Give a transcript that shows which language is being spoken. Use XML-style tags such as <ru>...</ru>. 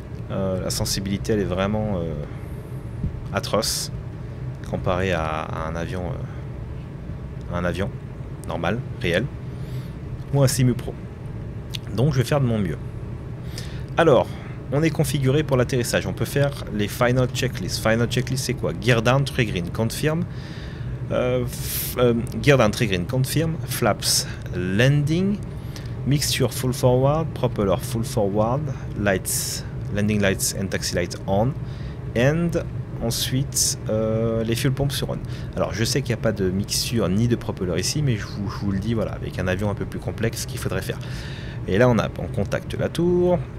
<fr>La sensibilité, elle est vraiment... atroce comparé à un avion normal, réel ou un simu pro. Donc je vais faire de mon mieux. Alors, on est configuré pour l'atterrissage. On peut faire les final checklists. Final checklist, c'est quoi?</fr> <en>Gear down, tree green, confirm. Gear down, tree green, confirm. Flaps, landing. Mixture, full forward. Propeller, full forward. Lights, landing lights and taxi lights on.</en> <fr>And ensuite, les fuel pumps sur on. Alors, je sais qu'il n'y a pas de mixture ni de propeller ici, mais je vous le dis, voilà, avec un avion un peu plus complexe, ce qu'il faudrait faire. Et là, on contacte la tour.</fr>